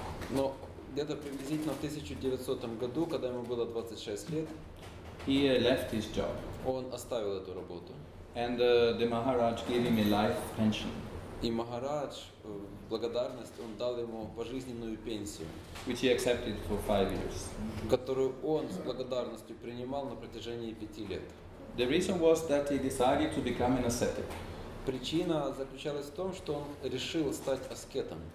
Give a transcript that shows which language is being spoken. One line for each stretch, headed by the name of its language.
Russian: Но где-то приблизительно в 1900 году, когда ему было 26 лет,
English: he left his job.
Russian: Он оставил эту работу.
English: And the Maharaj gave him a life pension.
Russian: И Махарадж в благодарность он дал ему пожизненную пенсию,
English: which he accepted for 5 years.
Russian: Которую он с благодарностью принимал на протяжении 5 лет.
English: The reason was that he decided to become an ascetic.
Russian: Причина заключалась в том, что он решил стать аскетом.